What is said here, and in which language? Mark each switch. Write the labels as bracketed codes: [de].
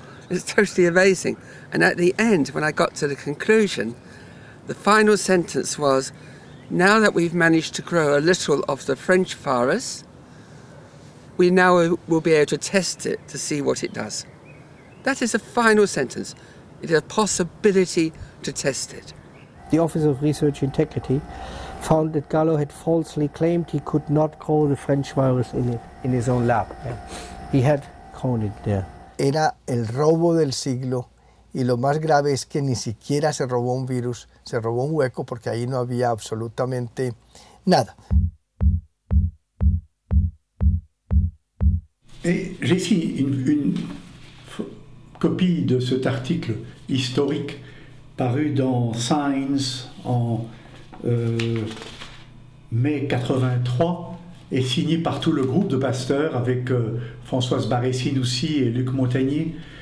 [en] It's totally amazing. And at the end, when I got to the conclusion, the final sentence was, now that we've managed to grow a little of the French virus, we now will be able to test it to see what it does. That is a final sentence. It is a possibility to test it. The Office of Research Integrity found that Gallo had falsely claimed he could not grow the French virus in his own lab. Yeah. He had grown it there. [es] Era el robo del siglo y lo más grave es que ni siquiera se robó un virus, se robó un hueco porque ahí no había absolutamente nada. [fr] J'ai ici une copie de cet article historique paru dans Science en mai 83 et signé par tout le groupe de Pasteur avec Françoise Barré-Sinoussi et Luc Montagnier.